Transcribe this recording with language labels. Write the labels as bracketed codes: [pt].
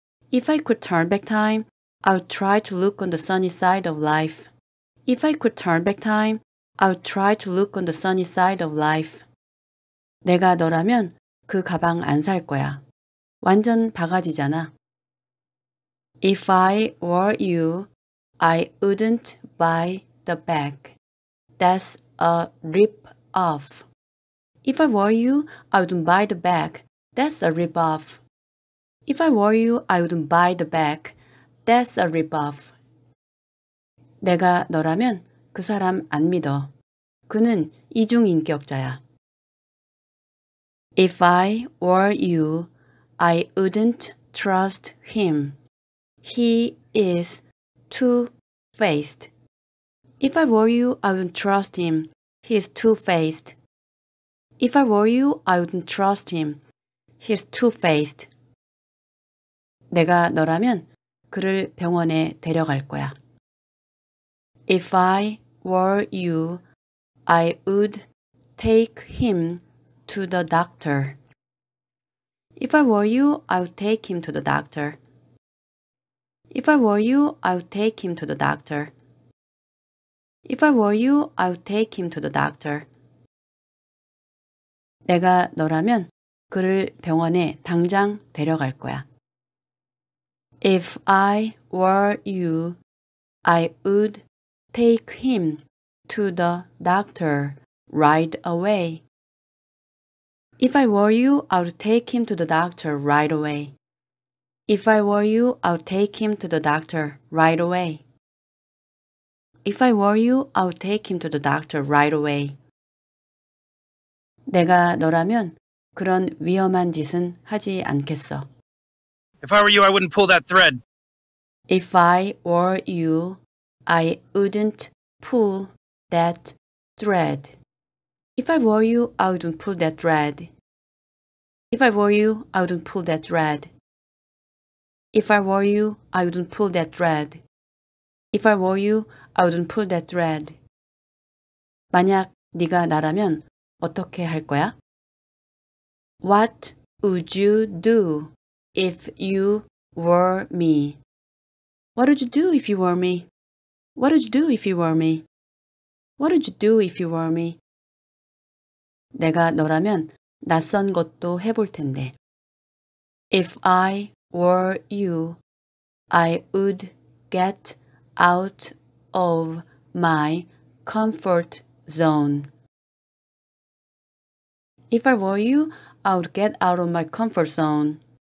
[en] If I could turn back time, I would try to look on the sunny side of life. If I could turn back time, I would try to look on the sunny side of life. [ko] 내가 너라면 그 가방 안 살 거야. 완전 바가지잖아. [en] If I were you, I wouldn't buy the bag. That's a rip-off. If I were you, I wouldn't buy the bag. That's a rip-off. If I were you, I wouldn't buy the bag. That's a rip-off. [ko] 내가 너라면 그 사람 안 믿어. 그는 이중인격자야. [en] If I were you, I wouldn't trust him. He is two-faced. If I were you, I wouldn't trust him. He is two-faced. If I were you, I wouldn't trust him. He's two-faced. [ko] 내가 너라면 그를 병원에 데려갈 거야. [en] If I were you, I would take him to the doctor. If I were you, I would take him to the doctor. If I were you, I would take him to the doctor. If I were you, I would take him to the doctor. [ko] 내가 너라면 그를 병원에 당장 데려갈 거야. [en] If I were you, I would take him to the doctor right away. If I were you, I would take him to the doctor right away. If I were you, I would take him to the doctor right away. If I were you, I would take him to the doctor right away. [ko] 내가 너라면 그런 위험한 짓은 하지 않겠어. [en] If I were you, I wouldn't pull that thread. If I were you, I wouldn't pull that thread. If I were you, I wouldn't pull that thread. If I were you, I wouldn't pull that thread. If I were you, I wouldn't pull that thread. If I were you, I wouldn't pull that thread. [ko] 만약 네가 나라면 어떻게 할 거야? [en] What would you do if you were me? What would you do if you were me? What would you do if you were me? What would you do if you were me? [ko] 내가 너라면 낯선 것도 해볼 텐데. [en] If I were you, I would get out of my comfort zone. If I were you, I would get out of my comfort zone.